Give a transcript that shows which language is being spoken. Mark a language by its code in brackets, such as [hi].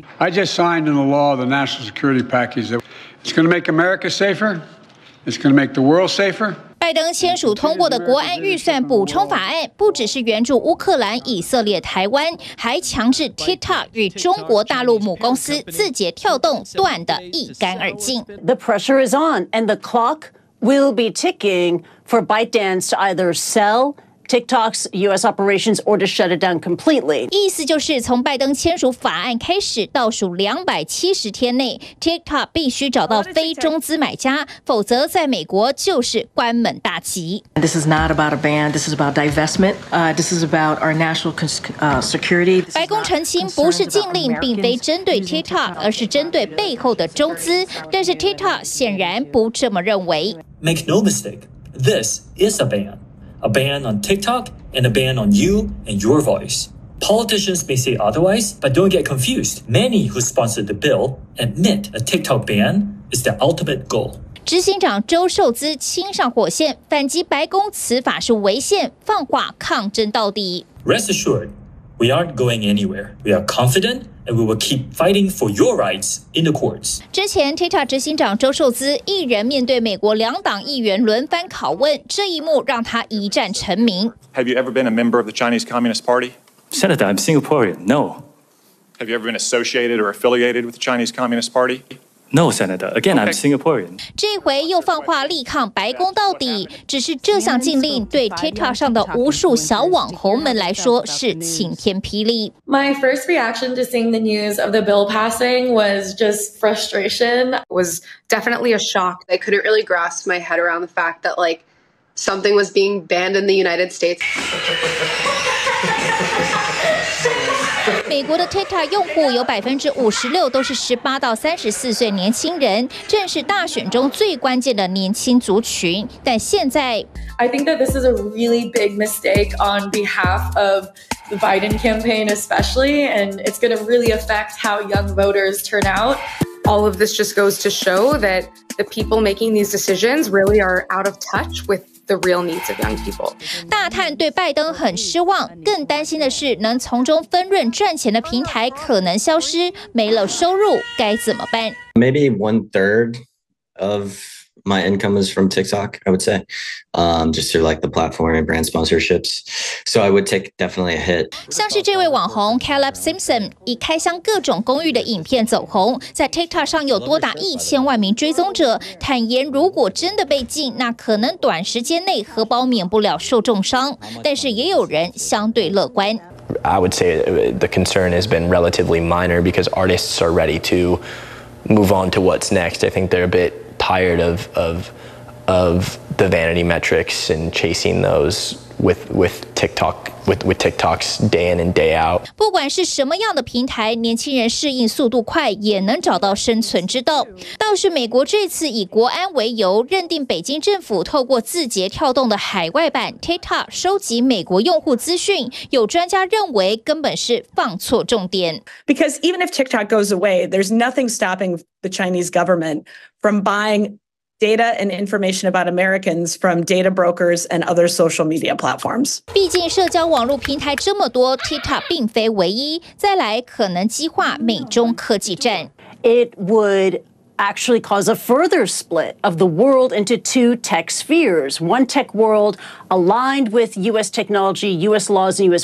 [en] ？I just signed into law the national security package. It's going to make America safer. It's going to make the world safer. [zh] 拜登签署通过的国安预算补充法案，不只是援助乌克兰、以色列、台湾，还强制 TikTok 与中国大陆母公司字节跳动断得一干二净。 [en] The pressure is on, and the clock will be ticking for ByteDance to either sell. TikTok's U.S. operations or to shut it down completely. [zh] 意思就是从拜登签署法案开始，倒数270天内 ，TikTok 必须找到非中资买家，否则在美国就是关门大吉。 [en] This is not about a ban. This is about divestment. This is about our national security. [zh] 白宫澄清，不是禁令，并非针对 TikTok， 而是针对背后的中资。但是 TikTok 显然不这么认为。 [en] Make no mistake. This is a ban. A ban on TikTok and a ban on you and your voice. Politicians may say otherwise, but don't get confused. Many who sponsored the bill admit a TikTok ban is the ultimate goal. [zh] 执行长周受资亲上火线，反击白宫此法是违宪，放话抗争到底。 [en] Rest assured, we aren't going anywhere. We are confident. And we will keep fighting for your rights in the courts. [zh] 之前 TikTok 执行长周受资一人面对美国两党议员轮番拷问，这一幕让他一战成名。 [en] Have you ever been a member of the Chinese Communist Party? Senator, I'm Singaporean. No. Have you ever been associated or affiliated with the Chinese Communist Party? No, Senator. Again, I'm Singaporean. [zh] 这回又放话力抗白宫到底，只是这项禁令对 TikTok 上的无数小网红们来说是晴天霹雳。 [en] My first reaction to seeing the news of the bill passing was just frustration. It was definitely a shock. I couldn't really grasp my head around the fact that like something was being banned in the United States. [zh] 美国的 TikTok 用户有56%都是18到34岁年轻人，正是大选中最关键的年轻族群。但现在 [en] ，I think that this is a really big mistake on behalf of the Biden campaign, especially, and it's going to really affect how young voters turn out. All of this just goes to show that the people making these decisions really are out of touch with the real needs of young people. [zh] 大叹对拜登很失望，更担心的是能从中分润赚钱的平台可能消失，没了收入该怎么办 [en] ？Maybe 1/3 of my income is from TikTok. I would say, just through like the platform and brand sponsorships. So I would take definitely a hit. [zh] 像是这位网红 Caleb Simpson 以开箱各种公寓的影片走红，在 TikTok 上有多达1000万名追踪者，坦言如果真的被禁，那可能短时间内荷包免不了受重伤。但是也有人相对乐观。 [en] I would say the concern has been relatively minor because artists are ready to move on to what's next. I think they're a bit. Tired of the vanity metrics and chasing those with TikTok's day in and day out. [zh] 不管是什么样的平台，年轻人适应速度快，也能找到生存之道。倒是美国这次以国安为由，认定北京政府透过字节跳动的海外版 TikTok 收集美国用户资讯，有专家认为根本是放错重点。 [en] Because even if TikTok goes away, there's nothing stopping the Chinese government. From buying data and information about Americans from data brokers and other social media platforms. [zh] 毕竟社交网络平台这么多 ，TikTok 并非唯一。再来，可能激化美中科技战。 [en] It would actually cause a further split of the world into two tech spheres. One tech world aligned with U.S. technology, U.S. laws, and U.S.